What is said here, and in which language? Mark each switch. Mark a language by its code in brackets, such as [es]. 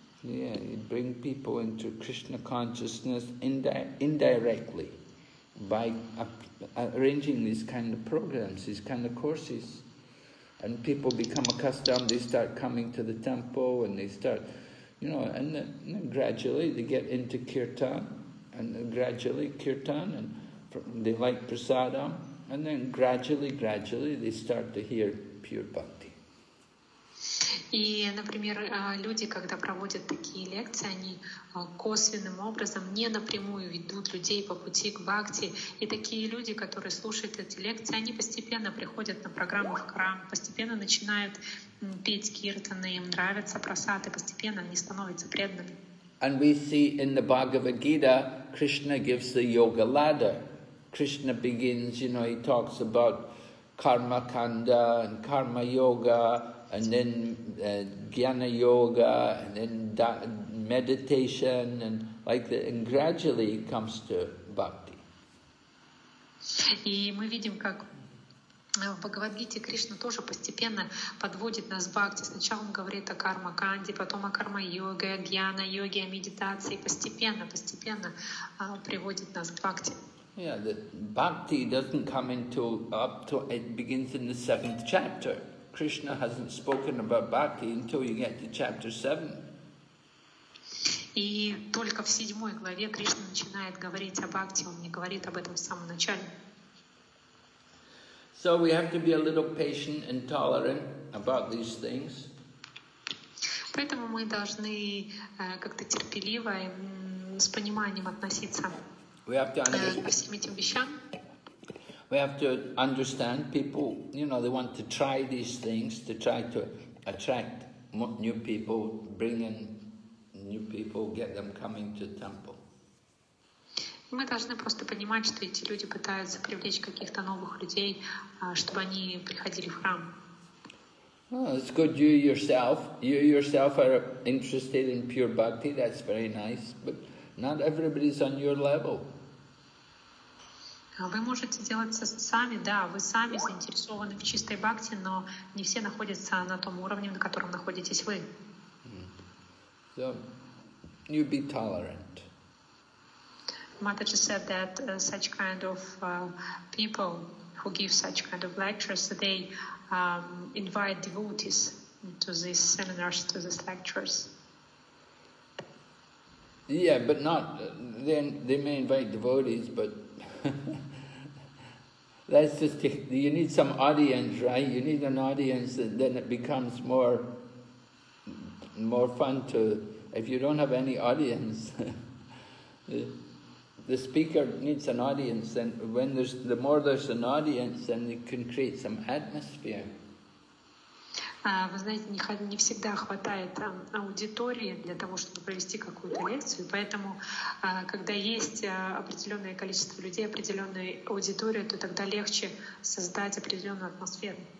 [en] Yeah, you bring people into Krishna consciousness indirectly by arranging these kind of programs, these kind of courses, and people become accustomed, they start coming to the temple, and they start, you know, and then gradually they get into kirtan, and gradually kirtan, and they like prasadam, and then gradually they start to hear pure bhakti. [ru] И, например, люди, когда проводят такие лекции, они косвенным образом, не напрямую ведут людей по пути к бхакти. И такие люди, которые слушают эти лекции, они постепенно приходят на программу в храм, постепенно начинают петь киртаны, им нравятся прасады, постепенно они становятся преданными. [en] And we see in the Bhagavad Gita, Krishna gives the yoga ladder. Krishna begins, you know, he talks about karma kanda and karma yoga, and then jnana yoga, and then meditation, and like that, and gradually it comes to bhakti. [ru] И мы видим, как в Бхагавад-гите Кришна тоже постепенно подводит нас к бхакти. Сначала он говорит о карма-канде, потом о карма-йоге, о джнана-йоге, о медитации, постепенно приводит нас к бхакти. [en] Yeah, the bhakti doesn't come until up to, it begins in the seventh chapter. Krishna hasn't spoken about bhakti until you get to chapter seven. [ru] И только в седьмой главе Кришна начинает говорить о бхакти, он не говорит об этом в самом начале. [en] So we have to be a little patient and tolerant about these things. [ru] Поэтому мы должны как-то терпеливо и с пониманием относиться ко всем этим вещам. [en] We have to understand people, you know, they want to try these things, to try to attract new people, bring in new people, get them coming to temple. [ru] Мы должны просто понимать, что эти люди пытаются привлечь каких-то новых людей, чтобы они приходили в храм. [en] Oh, that's good. You yourself are interested in pure bhakti. That's very nice. But not everybody's on your level. [ru] Вы можете делать сами, да, вы сами заинтересованы в чистой бхакти, но не все находятся на том уровне, на котором находитесь вы. [en] So, you be tolerant. Mataji said that such kind of people who give such kind of lectures, they invite devotees to these seminars, to these lectures. Yeah, but not, then they may invite devotees, but that's just, you need some audience, right? You need an audience, and then it becomes more fun to, if you don't have any audience, the speaker needs an audience, and when there's, the more there's an audience, then it can create some atmosphere. [ru] Вы знаете, не всегда хватает аудитории для того, чтобы провести какую-то лекцию. Поэтому, когда есть определенное количество людей, определенная аудитория, то тогда легче создать определенную атмосферу.